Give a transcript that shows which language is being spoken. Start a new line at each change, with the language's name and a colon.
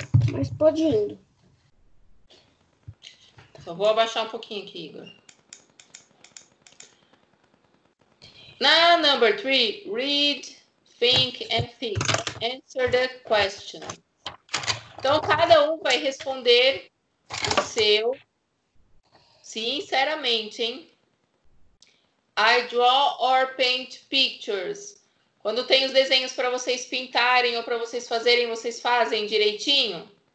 Portuguese: Mas pode ir. Só vou abaixar um pouquinho aqui, Igor.
English: Na number 3, read, think and think. Answer the question.
Portuguese: Então, cada um vai responder o seu. Sinceramente, hein?
English: I draw or paint pictures.
Portuguese: Quando tem os desenhos para vocês pintarem ou para vocês fazerem, vocês fazem direitinho?